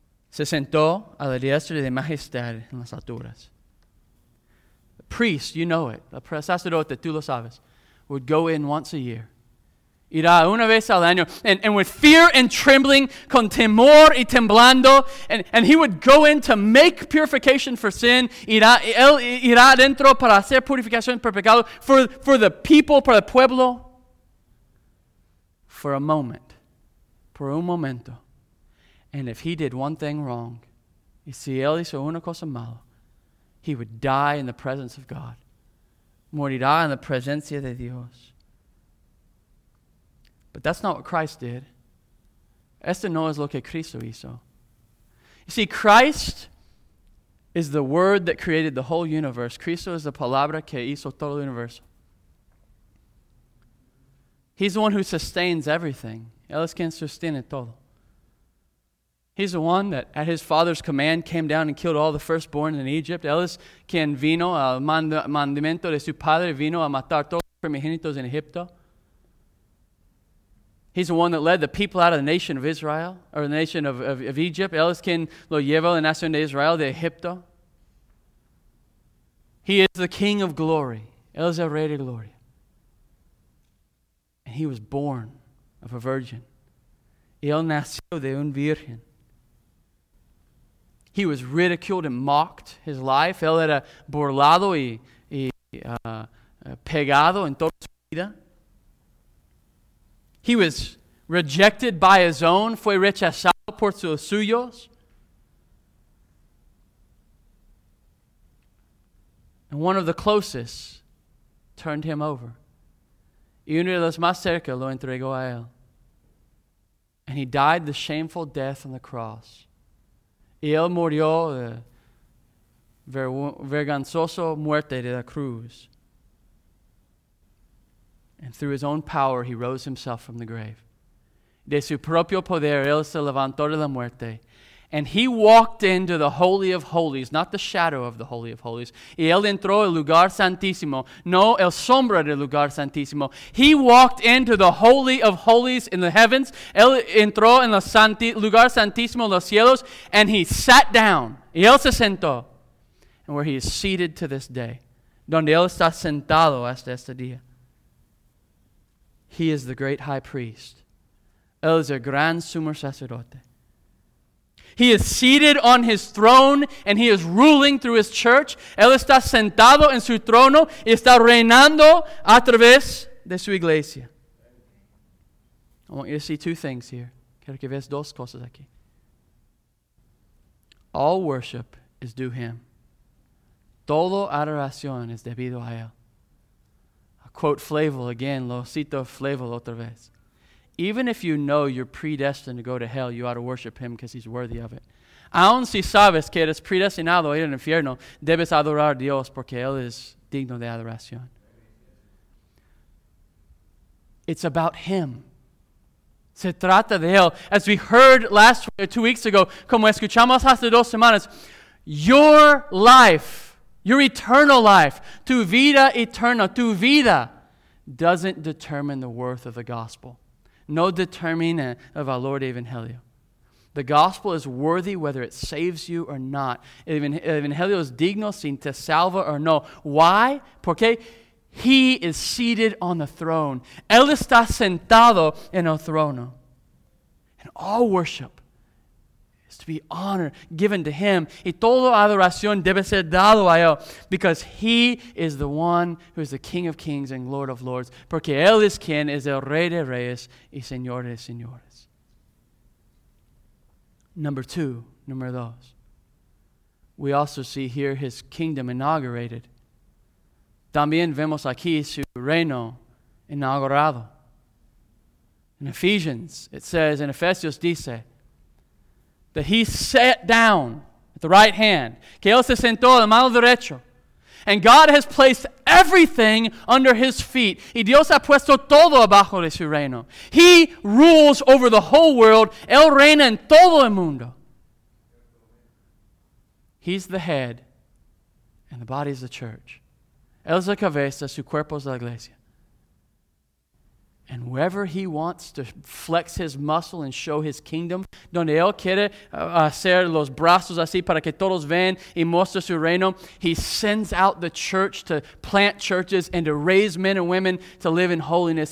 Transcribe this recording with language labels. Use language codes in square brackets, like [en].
[es] Se sentó a la diestra de majestad en las alturas. [en] The priest, you know it, [es] el sacerdote, tú lo sabes, [en] would go in once a year. [es] Irá una vez al año, [en] and with fear and trembling, [es] con temor y temblando, [en] and he would go in to make purification for sin, [es] irá dentro para hacer purificación por pecado, [en] for the people, [es] para el pueblo. [en] For a moment, [es] por un momento, [en] and if he did one thing wrong, [es] y si él hizo una cosa mala, [en] he would die in the presence of God. [es] Morirá en la presencia de Dios. [en] But that's not what Christ did. [es] Este no es lo que Cristo hizo. [en] You see, Christ is the word that created the whole universe. [es] Cristo es la palabra que hizo todo el universo. [en] He's the one who sustains everything. [es] Él es quien sostiene todo. [en] He's the one that at his father's command came down and killed all the firstborn in Egypt. [es] Él es quien vino al mandamiento de su padre, vino a matar todos los primogénitos en Egipto. [en] He's the one that led the people out of the nation of Israel, or the nation of Egypt. [es] Él es quien lo llevó la nación de Israel de Egipto. [en] He is the King of glory. [es] Él es el Rey de Gloria. [en] And he was born of a virgin. [es] Él nació de un virgen. [en] He was ridiculed and mocked his life. [es] Él era burlado y pegado en toda su vida. [en] He was rejected by his own. [es] Fue rechazado por sus suyos. [en] And one of the closest turned him over. [es] Y uno de los más cerca lo entregó a él. [en] And he died the shameful death on the cross. [es] Y él murió de vergonzoso muerte de la cruz. [en] And through his own power, he rose himself from the grave. [es] De su propio poder, él se levantó de la muerte. [en] And he walked into the Holy of Holies, not the shadow of the Holy of Holies. [es] Y él entró al lugar santísimo, no el sombra del lugar santísimo. [en] He walked into the Holy of Holies in the heavens. [es] Él entró en el lugar santísimo en los cielos, [en] and he sat down. [es] Y él se sentó, [en] and where he is seated to this day, [es] donde él está sentado hasta este día. [en] He is the great high priest. [es] Él es el gran sumo sacerdote. [en] He is seated on his throne and he is ruling through his church. [es] Él está sentado en su trono y está reinando a través de su iglesia. [en] I want you to see two things here. [es] Quiero que veas dos cosas aquí. [en] All worship is due him. [es] Todo adoración es debido a él. [en] Quote Flavel again, [es] lo cito Flavel otra vez. [en] Even if you know you're predestined to go to hell, you ought to worship him because he's worthy of it. [es] Aun si sabes que eres predestinado a ir al infierno, debes adorar a Dios porque él es digno de adoración. [en] It's about him. [es] Se trata de él. [en] As we heard last 2 weeks ago, [es] como escuchamos hace 2 semanas, [en] your life, your eternal life, [es] tu vida eterna, tu vida, [en] doesn't determine the worth of the gospel. [es] No determina el valor de Evangelio. [en] The gospel is worthy whether it saves you or not. [es] Evangelio es digno sin te salva [en] or no. Why? [es] Porque [en] he is seated on the throne. [es] Él está sentado en el trono. [en] And all worship is to be honored, given to him. [es] Y toda adoración debe ser dado a él. [en] Because he is the one who is the King of kings and Lord of lords. [es] Porque él es quien es el Rey de Reyes y Señor de Señores. [en] Number [es] dos. [en] We also see here his kingdom inaugurated. [es] También vemos aquí su reino inaugurado. [en] In Ephesians, it says, in [es] Ephesios dice, [en] that he sat down at the right hand. [es] Que él se sentó a la mano derecha. [en] And God has placed everything under his feet. [es] Y Dios ha puesto todo abajo de su reino. [en] He rules over the whole world. [es] Él reina en todo el mundo. [en] He's the head, and the body is the church. [es] Él es la cabeza, su cuerpo es la iglesia. [en] And wherever he wants to flex his muscle and show his kingdom, [es] donde él quiere hacer los brazos así para que todos vean y muestre su reino, [en] he sends out the church to plant churches and to raise men and women to live in holiness.